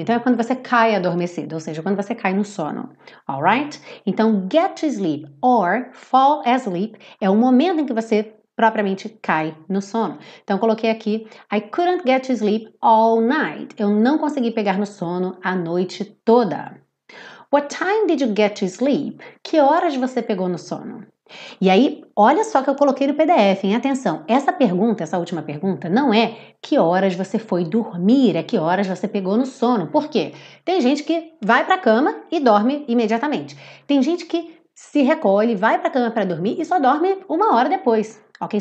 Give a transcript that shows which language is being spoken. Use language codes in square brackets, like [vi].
[pt] Então é quando você cai adormecido, ou seja, quando você cai no sono, alright? Então [en] get to sleep or fall asleep [pt] é o momento em que você propriamente cai no sono. Então eu coloquei aqui, [en] I couldn't get to sleep all night. [pt] Eu não consegui pegar no sono a noite toda. [en] What time did you get to sleep? [pt] Que horas você pegou no sono? E aí, olha só que eu coloquei no PDF, hein? Atenção, essa pergunta, essa última pergunta, não é que horas você foi dormir, é que horas você pegou no sono. Por quê? Tem gente que vai pra cama e dorme imediatamente. Tem gente que se recolhe, vai pra cama pra dormir e só dorme uma hora depois. Ok?